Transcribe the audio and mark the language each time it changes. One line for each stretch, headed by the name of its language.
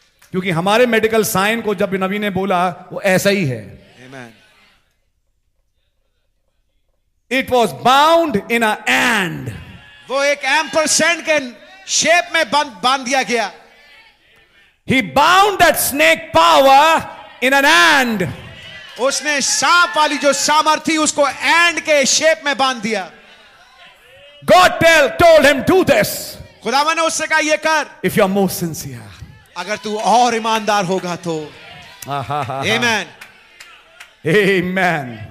Hindi: क्योंकि हमारे medical sign को जब नबी ने बोला वो ऐसा ही है.
English: Amen. It was bound in a and.
Hindi: वो एक ampersand के शेप में बांध दिया गया.
English: He bound that snake power in an and.
Hindi: उसने सांप वाली जो सामर्थी उसको and के shape में बांध दिया.
English: God told him do this.
Hindi: खुदावन ने उससे कहा ये कर,
English: if you are more sincere,
Hindi: अगर तू और ईमानदार होगा तो.
English: आमेन, आमेन,